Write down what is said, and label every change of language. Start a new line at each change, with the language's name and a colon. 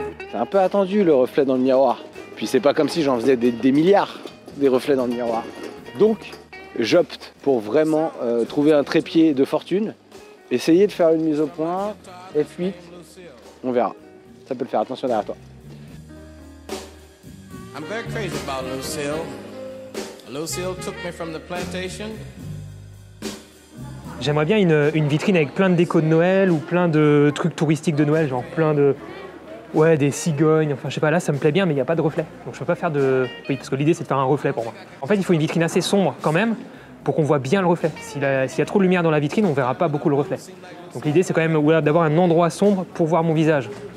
French: C'est un peu attendu le reflet dans le miroir. Puis c'est pas comme si j'en faisais des milliards des reflets dans le miroir. Donc. J'opte pour vraiment trouver un trépied de fortune, essayer de faire une mise au point, F8, on verra. Ça peut le faire, attention derrière toi.
English: I'm very crazy about Lucille. Lucille took me from the plantation.
French: J'aimerais bien une vitrine avec plein de déco de Noël ou plein de trucs touristiques de Noël, genre plein de... Ouais, des cigognes, enfin je sais pas, là ça me plaît bien, mais il n'y a pas de reflet. Donc je peux pas faire de... Oui, parce que l'idée c'est de faire un reflet pour moi. En fait, il faut une vitrine assez sombre quand même, pour qu'on voit bien le reflet. S'il y a trop de lumière dans la vitrine, on verra pas beaucoup le reflet. Donc l'idée c'est quand même ouais, d'avoir un endroit sombre pour voir mon visage.